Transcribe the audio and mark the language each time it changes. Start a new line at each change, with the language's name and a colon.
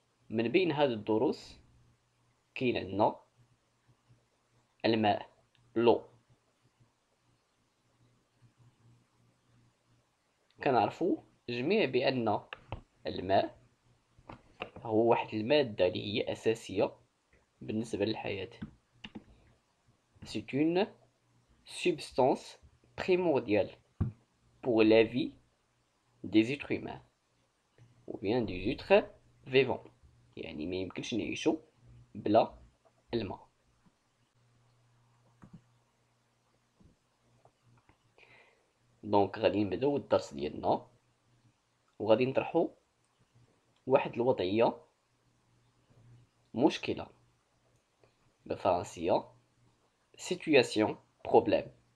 Arabic: من بين هاد الدروس كاين عندنا الماء، لو كنعرفو جميع بأن الماء هو واحد المادة اللي هي أساسية بالنسبة للحياة.
French: c'est une substance primordiale pour la vie des êtres humains ou bien des êtres vivants.
Arabic: يعني ما يمكنش نعيشو بلا الماء. دونك غادي نبداو الدرس ديالنا، وغادي نطرحو واحد الوضعية مشكلة بالفرنسية، situation problème.